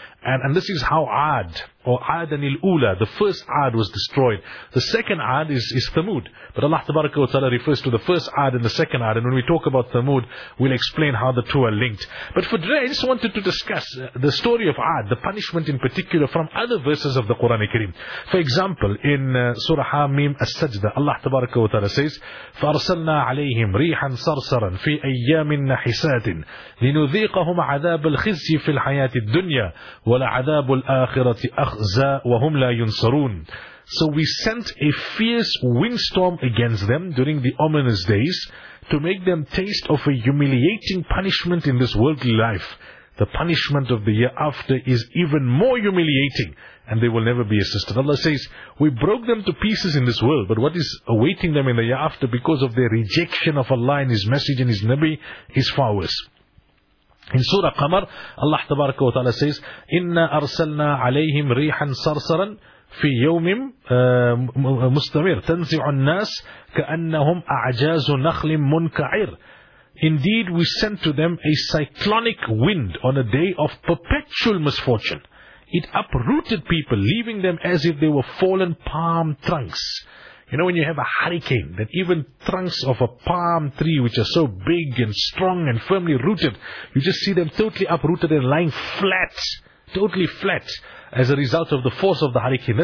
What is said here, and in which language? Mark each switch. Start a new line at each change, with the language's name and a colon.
English: And this is how Ad, or Adan al-Ula, the first Ad was destroyed. The second Ad is Thamud. But Allah tabaraka wa ta'ala refers to the first Ad and the second Ad. And when we talk about Thamud, we'll explain how the two are linked. But for today, I just wanted to discuss the story of Ad, the punishment in particular, from other verses of the Qur'an al-Kareem. For example, in Surah Hamim al-Sajda, Allah tabaraka wa ta'ala says,
Arabic: فَأَرْسَلْنَا عَلَيْهِمْ رِيحًا صَرْصَرًا فِي أَيَّامٍ نَحِسَاتٍ لِنُذِيقَهُمْ عَذَابَ الْخِزْيِ فِي الْحَيَاةِ الدُّنْيَا وَلَعَذَابُ الْآخِرَةِ أَخْزَى وَهُمْ لَا يُنصَرُونَ.
English: So we sent a fierce windstorm against them during the ominous days to make them taste of a humiliating punishment in this worldly life. The punishment of the year after is even more humiliating, and they will never be assisted. Allah says, we broke them to pieces in this world, but what is awaiting them in the year after because of their rejection of Allah and His message and His Nabi is far worse. In Surah Qamar, Allah tabaraka wa ta'ala says,
Arabic: إِنَّا أَرْسَلْنَا عَلَيْهِمْ رِيحًا صَرْصَرًا في يوم مستمر تنزع الناس كأنهم أعجاز نخل منكعر.
English: Indeed, we sent to them a cyclonic wind on a day of perpetual misfortune. It uprooted people, leaving them as if they were fallen palm trunks. You know, when you have a hurricane, that even trunks of a palm tree, which are so big and strong and firmly rooted, you just see them totally uprooted and lying flat, totally flat, as a result of the force of the hurricane.